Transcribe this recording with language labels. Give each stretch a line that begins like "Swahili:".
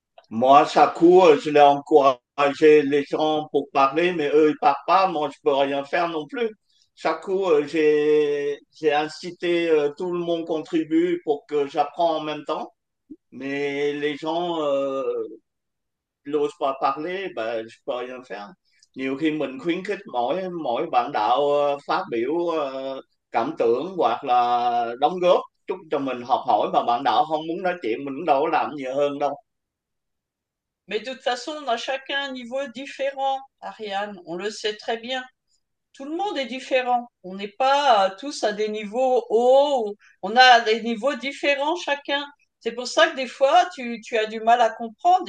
French: Moi, ça court, je l'ai encouragé les gens pour parler, mais eux, ils parlent pas, moi, je peux rien faire non plus. Chaque coup, j'ai incité tout le monde contribue pour que j'apprends en même temps. Mais les gens n'osent pas parler, ben, je peux rien faire.
Vietnamese: Nhiều khi mình khuyến khích mỗi mỗi bạn đạo phát biểu cảm tưởng hoặc là đóng góp chút cho mình học hỏi mà bạn đạo không muốn nói chuyện, mình cũng đâu có làm nhiều hơn đâu.
French: Mais de toute façon, on a chacun un niveau différent, Ariane. On le sait très bien. Tout le monde est différent. On n'est pas tous à des niveaux hauts. On a des niveaux différents chacun. C'est pour ça que des fois, tu as du mal à comprendre.